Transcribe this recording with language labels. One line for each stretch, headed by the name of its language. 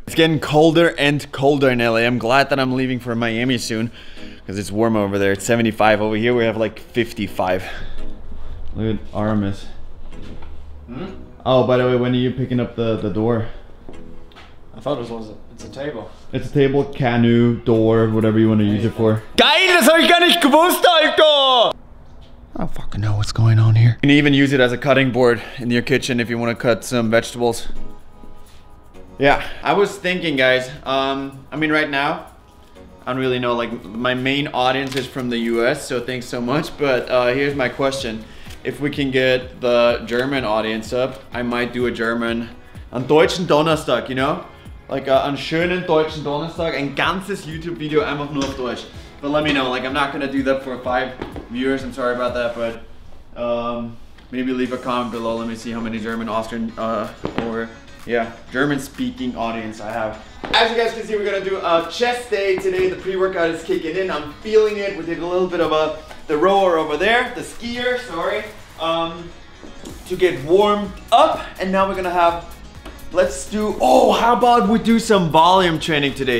English: It's getting colder and colder in LA. I'm glad that I'm leaving for Miami soon, because it's warm over there. It's 75 over here, we have like 55. Look at Armis. Hmm? Oh, by the way, when are you picking up the door? I thought it was it's a table. It's a table, canoe, door, whatever you want to use it for.
German: Geil, das hab ich gar nicht gewusst, Alter!
English: I don't fucking know what's going on here. You can even use it as a cutting board in your kitchen if you want to cut some vegetables. Yeah, I was thinking, guys, I mean, right now, I don't really know, like, my main audience is from the US, so thanks so much, but here's my question. If we can get the German audience up, I might do a German,
German: an deutschen Donnerstag,
English: you know?
German: Like, an schönen deutschen Donnerstag, ein ganzes YouTube video einfach nur auf Deutsch.
English: But let me know, like, I'm not gonna do that for 5 viewers, I'm sorry about that, but maybe leave a comment below, let me see how many German, Austrian, or, yeah, German-speaking audience I have. As you guys can see, we're gonna do a chest day today, the pre-workout is kicking in, I'm feeling it, we did a little bit of the skier, to get warmed up, and now we're gonna have, how about we do some volume training today?